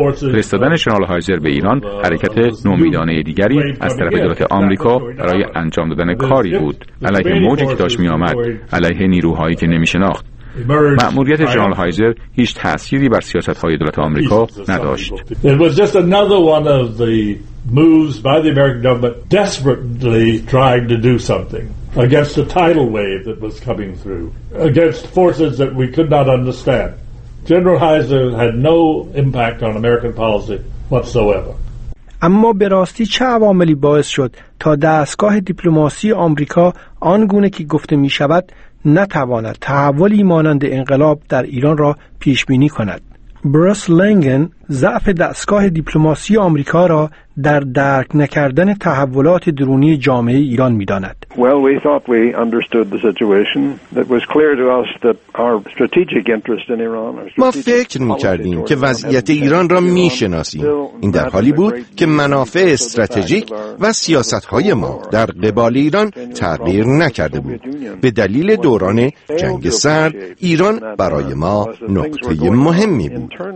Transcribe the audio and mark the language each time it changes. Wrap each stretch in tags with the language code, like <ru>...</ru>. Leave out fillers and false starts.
<fa>فرستادن ژنرال هایزر به ایران حرکت نومیدانه دیگری از طرف دولت آمریکا برای انجام دادن کاری بود، علیه موجی که داشت می آمد، علیه نیروهایی که نمی شناخت. مأموریت ژنرال هایزر هیچ تأثیری بر سیاست های دولت آمریکا نداشت.</fa> <en>It was just another one of the moves by the American government desperately trying to do something against the tidal wave that was coming through, against forces that we could not understand. General Heiser had no impact on American policy whatsoever.</en> <fa>اما به راستی چه عواملی باعث شد تا دستگاه دیپلماسی آمریکا آن گونه که گفته می شود نتواند تحولی مانند انقلاب در ایران را پیش بینی کند؟ بروس لنگن ضعف دستگاه دیپلماسی آمریکا را در درک نکردن تحولات درونی جامعه ایران می‌داند.</fa> <en>Well, we thought we understood the situation. It was clear to us that our strategic interest in Iran.</en> <fa>ما فکر می‌کردیم که وضعیت ایران را می‌شناسیم. این در حالی بود که منافع استراتژیک و سیاست‌های ما در قبال ایران تغییر نکرده بود. به دلیل دوران جنگ سرد، ایران برای ما نقطه مهمی بود.</fa>